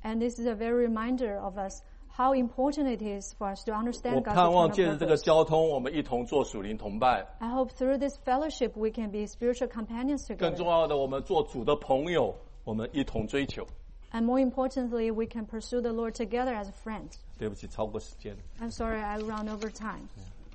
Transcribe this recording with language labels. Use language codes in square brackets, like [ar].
[en] And this is a very reminder of us how important it is for us to understand God's [zh] purpose. 我盼望借着这个交通，我们一同做属灵同伴。 [en] I hope through this fellowship we can be spiritual companions together. [zh] 更重要的，我们做主的朋友，我们一同追求。 [en] And more importantly, we can pursue the Lord together as friends. [zh] 对不起，超过时间。 [en] I'm sorry, I ran over time. Yeah.